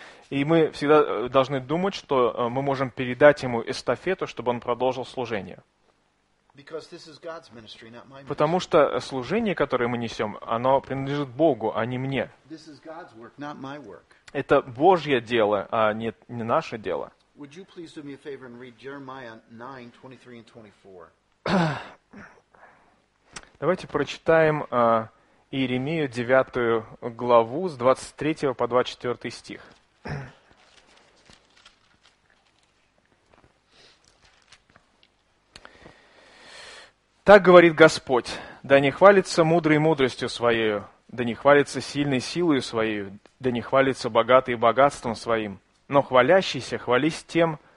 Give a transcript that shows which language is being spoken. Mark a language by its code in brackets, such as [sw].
[ru] И мы всегда должны думать, что мы можем передать ему эстафету, чтобы он продолжил служение. [en] Because this is God's ministry, not my ministry. [ru] Потому что служение, которое мы несем, оно принадлежит Богу, а не мне. [en] This is God's work, not my work. [ru] Это Божье дело, а не, не наше дело. [en] Would you please do me a favor and read Jeremiah 9:23 and 24? [ru] Давайте прочитаем Иеремию 9 главу с 23 по 24 стих. Так говорит Господь, да не хвалится мудрый мудростью своею, да не хвалится сильной силою своею, да не хвалится богатый богатством своим, но хвалящийся хвались тем,